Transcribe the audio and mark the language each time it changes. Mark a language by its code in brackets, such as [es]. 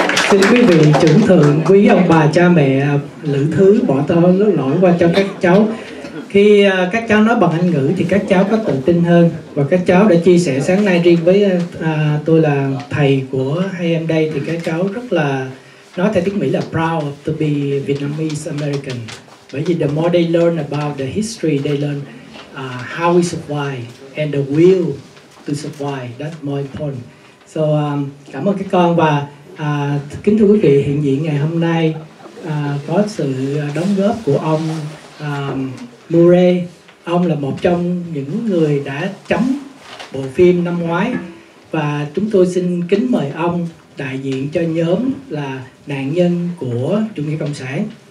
[vi] Xin quý vị trưởng thượng, quý ông bà cha mẹ lữ thứ bỏ tôi lỗi lỗi qua cho các cháu. Khi các cháu nói bằng Anh ngữ thì các cháu có tự tin hơn. Và các cháu đã chia sẻ sáng nay riêng với tôi là thầy của hai em đây, thì các cháu rất là nói theo tiếng Mỹ là [en] proud to be Vietnamese American. [vi] Bởi vì [en] the more they learn about the history, they learn how we survive and the will to survive. That's more important. So [vi] cảm ơn các con. Và kính thưa quý vị, hiện diện ngày hôm nay có sự đóng góp của ông Murray. Ông là một trong những người đã chấm bộ phim năm ngoái. Và chúng tôi xin kính mời ông đại diện cho nhóm là nạn nhân của chủ nghĩa cộng sản.